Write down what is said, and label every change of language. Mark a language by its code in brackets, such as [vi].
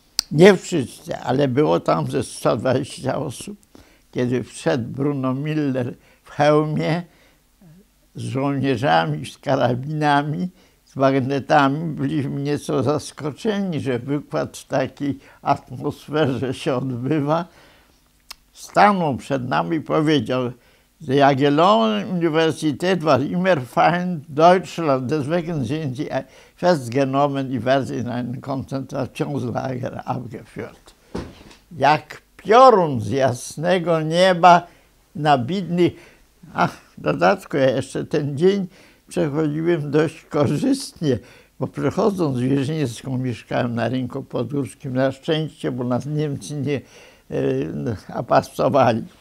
[pl] Nie wszyscy, ale było tam ze 120 osób, kiedy wszedł Bruno Miller w hełmie z żołnierzami, z karabinami, z magnetami. Byliśmy nieco zaskoczeni, że wykład w takiej atmosferze się odbywa. Stanął przed nami i powiedział: [de] Die Jagiellonische Universität war immer Feind Deutschland, deswegen sind sie festgenommen und werden in ein Konzentrationslager abgeführt. [pl] Jak piorun z jasnego nieba na bidny. Ach, w dodatku ja jeszcze ten dzień przechodziłem dość korzystnie, bo przechodząc w Wierzyńską mieszkałem na rynku podgórskim, na szczęście, bo nas Niemcy nie apasowali.